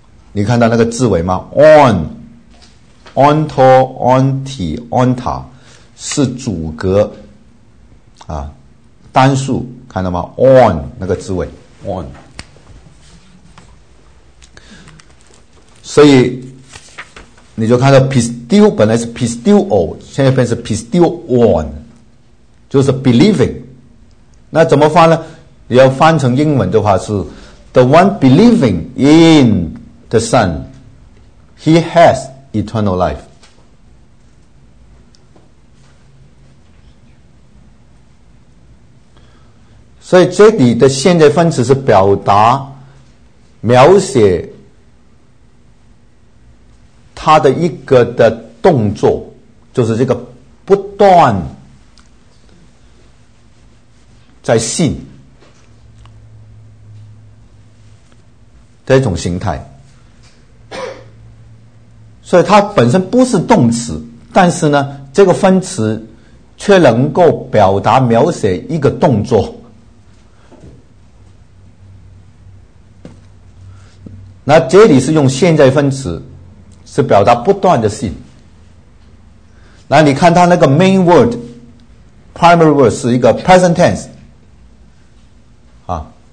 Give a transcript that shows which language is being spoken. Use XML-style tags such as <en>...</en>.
<zh>你看到那个字尾吗 ？on、onto、onti、onta 是主格啊，单数，看到吗 ？on 那个字尾 on， 所以你就看到 pistil 本来是 pistil-o， 现在变成 pistil-on， 就是 believing。那怎么翻呢？你要翻成英文的话是</zh> <en>the one believing in。 The Son, He has eternal life.</en> <zh>所以这里的现在分词是表达、描写他的一个的动作，就是这个不断在信这种形态。所以它本身不是动词，但是呢，这个分词却能够表达描写一个动作。那这里是用现在分词，是表达不断的性。那你看它那个 main word， primary word 是一个 present tense， 啊。</zh>